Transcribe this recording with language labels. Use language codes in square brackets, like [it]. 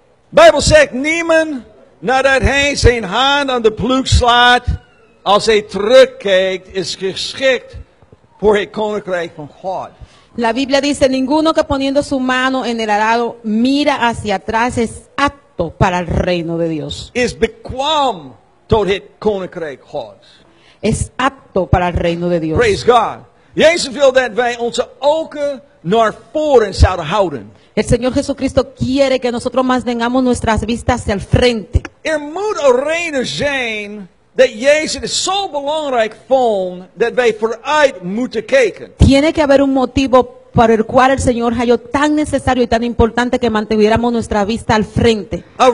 [nl] Bijbel zegt niemand nadat hij zijn hand aan de ploeg slaat, als hij terugkijkt, is geschikt voor het koninkrijk van God. [es] La Biblia dice ninguno que poniendo su mano en el arado mira hacia atrás es apto para el reino de Dios. [nl] Is bekwam tot het koninkrijk Gods. [es] Es apto para el reino de Dios. [en] Praise God. [nl] Jezus wil dat wij onze ogen naar voren zouden houden. [es] El Señor Jesucristo quiere que nosotros mantengamos nuestras vistas hacia el frente. [nl] Er moet een reden zijn dat Jezus het zo belangrijk vond dat wij vooruit moeten kijken. [es] Tiene que haber un motivo por el cual el Señor halló tan necesario y tan importante que mantuviéramos nuestra vista al frente.